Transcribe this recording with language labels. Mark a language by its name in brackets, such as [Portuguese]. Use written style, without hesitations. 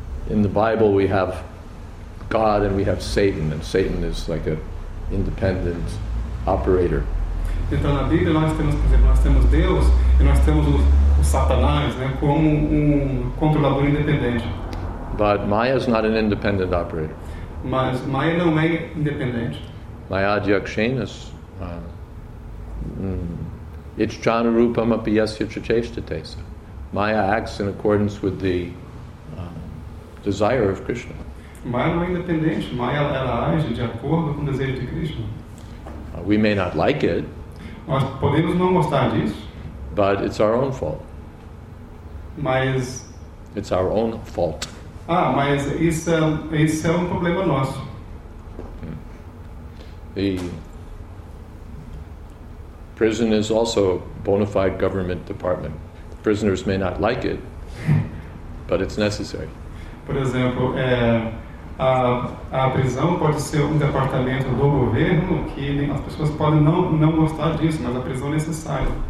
[English] In the Bible, we have God and we have Satan, and Satan is like an independent operator. [Portuguese] Então na Bíblia nós temos, por exemplo, nós temos Deus e nós temos o Satanás, né, como controlador independente. [English] But Maya is not an independent operator. [Portuguese] Mas Maya não é independente. [Sanskrit] Maya Adyakshenas, Ichchana Rupam Api Yasya Chacheshtate. [English] Maya acts in accordance with the desire of Krishna. [Portuguese] Maya não é independente. Maya ela age de acordo com o desejo de Krishna. [English] We may not like it. [Portuguese] Nós podemos não gostar disso. [English] But it's our own fault. [Portuguese] Mas [English] it's our own fault. [Portuguese] Ah, mas isso é um problema nosso. [English] The prison is also a bona fide government department. Prisoners may not like it, but it's necessary. [Portuguese] Por exemplo, a prisão pode ser um departamento do governo que as pessoas podem não gostar disso, mas a prisão é necessária.